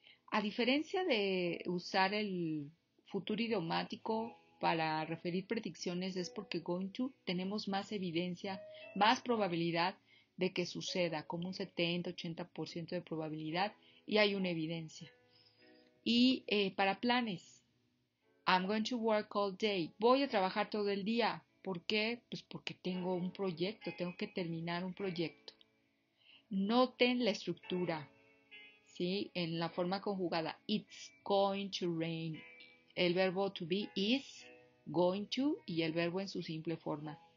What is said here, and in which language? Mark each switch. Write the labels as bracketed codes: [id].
[es] A diferencia de usar el futuro idiomático para referir predicciones, es porque going to tenemos más evidencia, más probabilidad de que suceda, como un 70, 80% de probabilidad y hay una evidencia. Y para planes, [en] I'm going to work all day. [es] Voy a trabajar todo el día. ¿Por qué? Pues porque tengo un proyecto, tengo que terminar un proyecto. Noten la estructura. ¿Sí? En la forma conjugada, [en] it's going to rain. [es] El verbo to be [en] is going to [es] y el verbo en su simple forma.